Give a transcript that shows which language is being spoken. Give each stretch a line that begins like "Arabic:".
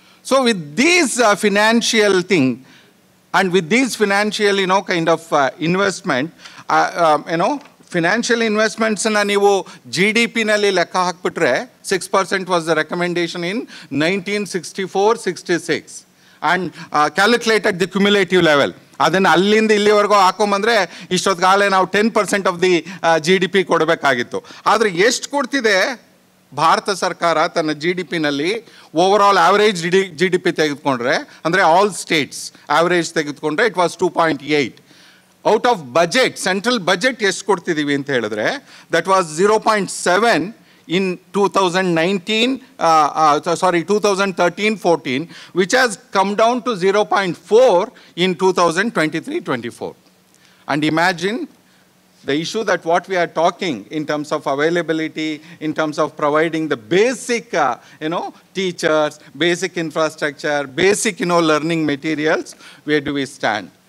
English: So with these financial thing, and with these financial, you know, kind of investment, you know, financial investments
Kannada: na neevu GDP nalli lekka hakbitre,
English: 6% was the recommendation in 1964-66, and calculated at the cumulative level.
Kannada: ಅದನ್ನು ಅಲ್ಲಿಂದ ಇಲ್ಲಿವರೆಗೂ ಹಾಕೊಂಬಂದ್ರೆ ಇಷ್ಟೊತ್ತಿಗಾಗಲೇ ನಾವು 10% of the GDP ಕೊಡಬೇಕಾಗಿತ್ತು. ಆದರೆ ಎಷ್ಟು ಕೊಡ್ತಿದೆ ಭಾರತ ಸರ್ಕಾರ ತನ್ನ GDPನಲ್ಲಿ? ಓವರ್ಆಲ್ ಆವರೇಜ್ GDP ತೆಗೆದುಕೊಂಡ್ರೆ, ಅಂದರೆ ಆಲ್ ಸ್ಟೇಟ್ಸ್ ಆವರೇಜ್ ತೆಗೆದುಕೊಂಡ್ರೆ,
English: It was 2.8. Out of budget, central budget
Kannada: ಎಷ್ಟು ಕೊಡ್ತಿದ್ದೀವಿ ಅಂತ ಹೇಳಿದ್ರೆ,
English: That was 0.7 in 2013-14, which has come down to 0.4 in 2023-24. And imagine the issue that what we are talking in terms of availability, in terms of providing the basic, teachers, basic infrastructure, basic, learning materials, where do we stand?